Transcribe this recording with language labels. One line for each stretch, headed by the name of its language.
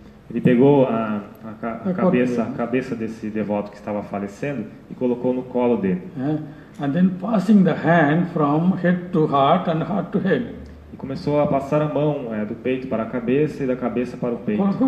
Portuguese: Ele pegou a cabeça desse devoto que estava falecendo e colocou no colo dele.
English: And then passing the hand from head to heart and heart to head.
Portuguese: E começou a passar a mão do peito para a cabeça e da cabeça para o peito.